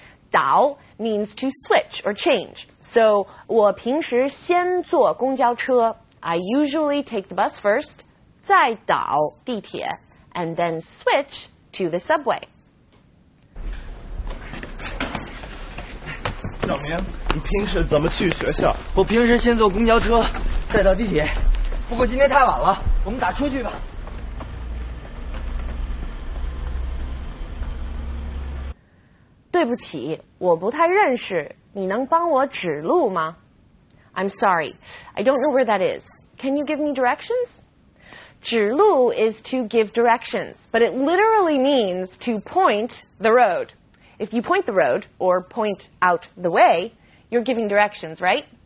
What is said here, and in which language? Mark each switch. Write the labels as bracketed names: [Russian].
[English] 倒means to switch or change. So, [Chinese] 我平时先坐公交车。 [English] I usually take the bus first, [Chinese] 再倒地铁, [English] and then switch to the subway. [Chinese] 小明，你平时怎么去学校？我平时先坐公交车，再到地铁。不过今天太晚了，我们打车去吧。对不起，我不太认识，你能帮我指路吗？ [English] I'm sorry, I don't know where that is. Can you give me directions? 指路 is to give directions, but it literally means to point the road. If you point the road, or point out the way, you're giving directions, right?